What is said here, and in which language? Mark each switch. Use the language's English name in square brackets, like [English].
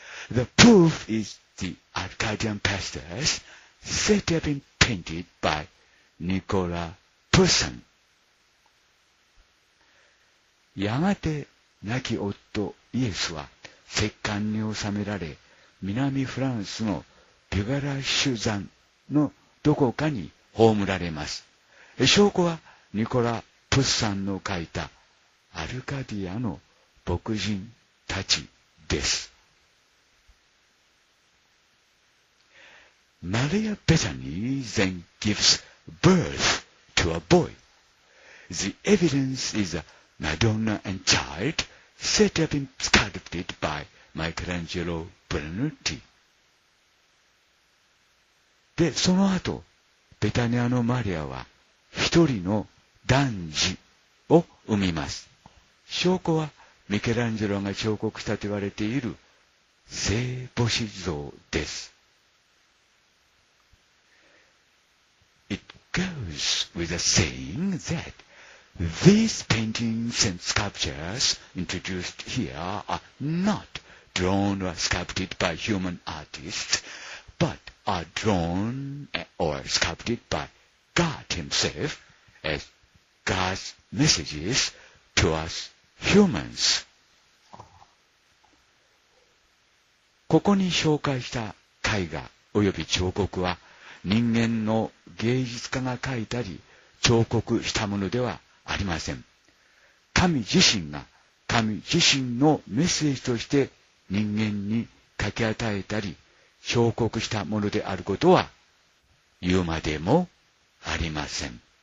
[English] The proof is the Arcadian pastures said to have been painted byニコラ・プーサン。 [Japanese] やがて亡き夫イエスは石棺に納められ、南フランスのビュガラッシュ山のどこかに葬られます。証拠はニコラ・ プスさんの書いたアルカディアの牧人たちです。 [English] マリア・ベタニー then gives birth to a boy. The evidence is a Madonna and child set up and sculpted by Michelangelo Buonarroti. [Japanese] で、その後、ベタニアのマリアは一人の男児を産みます。証拠はミケランジェロが彫刻したと言われている聖母子像です。 [English] It goes with a saying that these paintings and sculptures introduced here are not drawn or sculpted by human artists, but are drawn or sculpted by God himself as God's messages to us humans. [Japanese] ここに紹介した絵画および彫刻は人間の芸術家が描いたり彫刻したものではありません。神自身が神自身のメッセージとして人間に書き与えたり彫刻したものであることは言うまでもありません。